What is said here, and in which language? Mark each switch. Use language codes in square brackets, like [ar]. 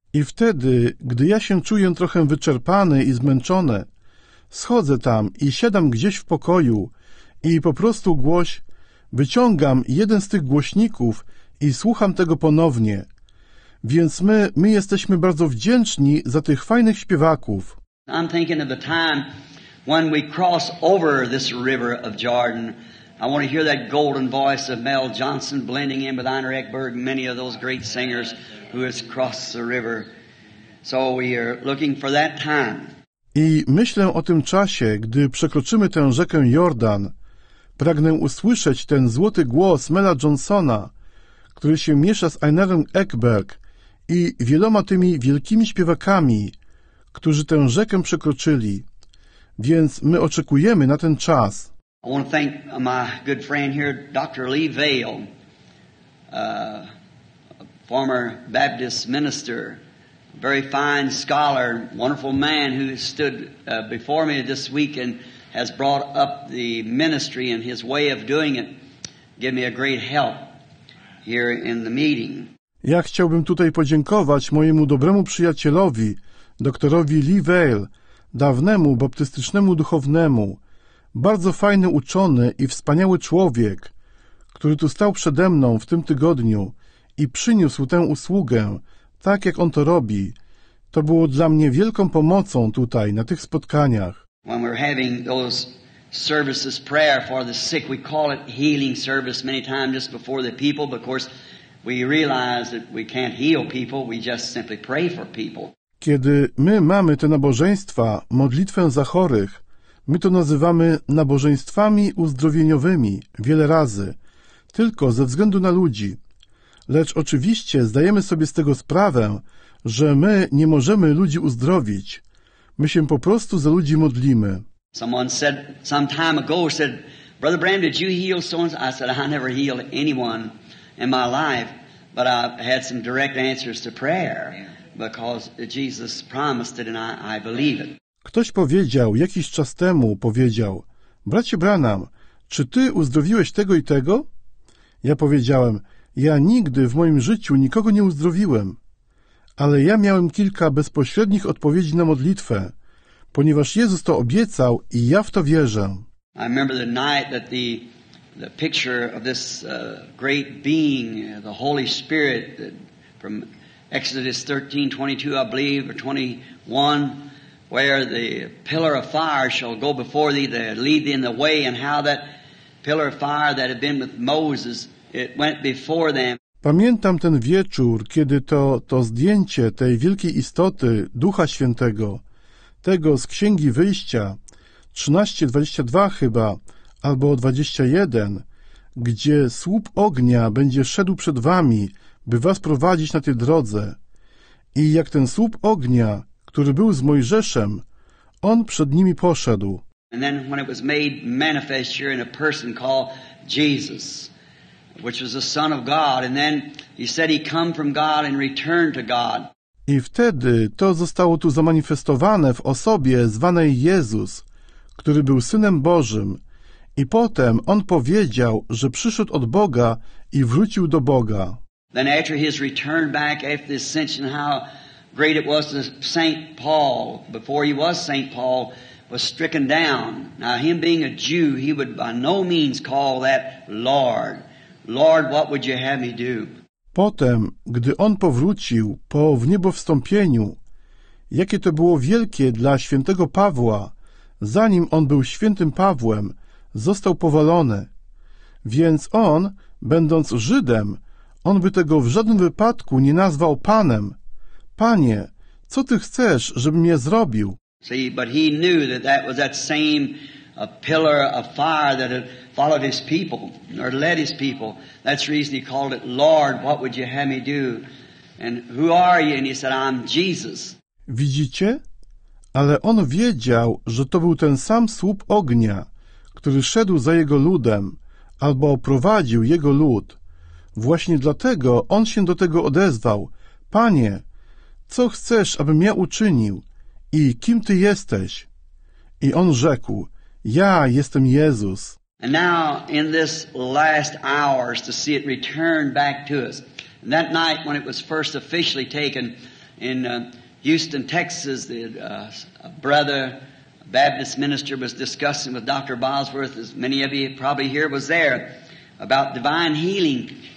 [pl] I wtedy, gdy ja się czuję trochę wyczerpany i zmęczony, schodzę tam i siadam gdzieś w pokoju i po prostu wyciągam jeden z tych głośników i słucham tego ponownie. Więc my jesteśmy bardzo wdzięczni za tych fajnych śpiewaków. [en] I'm thinking of the time when we cross over this river of Jordan. I want to hear that golden voice of Mel Johnson blending in with Einar Ekberg and many of those great singers who has crossed the river. So we are looking for that time. [pl] I myślę o tym czasie, gdy przekroczymy tę rzekę Jordan. Pragnę usłyszeć ten złoty głos Mela Johnsona, który się miesza z Einarem Ekberg i wieloma tymi wielkimi śpiewakami, którzy tę rzekę przekroczyli. Więc my oczekujemy na ten czas. [en] I want to thank my good friend here, Dr. Lee Vail, former Baptist minister, very fine scholar, wonderful man who stood before me this week and has brought up the ministry and his way of doing it, give me a great help here in the meeting. [pl] Ja chciałbym tutaj podziękować mojemu dobremu przyjacielowi, doktorowi Lee Vail, dawnemu baptystycznemu duchownemu. Bardzo fajny uczony i wspaniały człowiek, który tu stał przede mną w tym tygodniu i przyniósł tę usługę, tak jak on to robi. To było dla mnie wielką pomocą tutaj, na tych spotkaniach. [en] When we're having those services, prayer for the sick, we call it healing service many times just before the people, because we realize that we can't heal people, we just simply pray for people. [pl] Kiedy my mamy te nabożeństwa, modlitwę za chorych, my to nazywamy nabożeństwami uzdrowieniowymi wiele razy, tylko ze względu na ludzi. Lecz oczywiście zdajemy sobie z tego sprawę, że my nie możemy ludzi uzdrowić. My się po prostu za ludzi modlimy. [en] Someone said some time ago, said, Brother Bram, did you heal someone? I said, I never healed anyone in my life, but I had some direct answers to prayer, because Jesus promised it and I believe it. [pl] Ktoś powiedział, jakiś czas temu powiedział, bracie Branham, czy ty uzdrowiłeś tego i tego? Ja powiedziałem, ja nigdy w moim życiu nikogo nie uzdrowiłem. Ale ja miałem kilka bezpośrednich odpowiedzi na modlitwę, ponieważ Jezus to obiecał i ja w to wierzę. [en] I remember the night that the picture of this great being, the Holy Spirit, from Exodus 13:22, I believe, or 21, where the pillar of fire shall go before thee to lead thee in the way, and how that pillar of fire that had been with Moses, it went before them. [pl] Pamiętam ten wieczór, kiedy to zdjęcie tej wielkiej istoty Ducha Świętego, tego z Księgi Wyjścia, 13:22 chyba, albo 21, gdzie słup ognia będzie szedł przed wami, by was prowadzić na tej drodze. I jak ten słup ognia, który był z Mojżeszem, on przed nimi poszedł. [en] And then when it was made manifest here in a person called Jesus, which was the Son of God, and then he said he come from God and returned to God. [pl] I wtedy to zostało tu zamanifestowane w osobie zwanej Jezus, który był Synem Bożym, i potem on powiedział, że przyszedł od Boga i wrócił do Boga. [en] then after his return back after the ascension, how great it was to St. Paul, before he was St. Paul, was stricken down. Now, him being a Jew, he would by no means call that Lord. Lord, what would you have me do? [pl] Potem, gdy on powrócił po wniebowstąpieniu, jakie to było wielkie dla świętego Pawła, zanim on był świętym Pawłem, został powalony. Więc on, będąc Żydem, on by tego w żadnym wypadku nie nazwał Panem. Panie, co Ty chcesz, żebym je zrobił? [en] See, but he knew that that was that same pillar of fire that had followed his people, or led his people. That's the reason he called it, Lord, what would you have me do? And who are you? And he said, I'm Jesus. [pl] Widzicie? Ale on wiedział, że to był ten sam słup ognia, który szedł za jego ludem, albo prowadził jego lud. Właśnie dlatego on się do tego odezwał. Panie, co chcesz, abym ja uczynił? I kim ty jesteś? I on rzekł, ja jestem Jezus. [en] And now in this last hours to see it return back to us. And that night when it was first officially taken in Houston, Texas, the brother Baptist minister was discussing with Dr. Bosworth, as many of you probably here was there, about divine healing.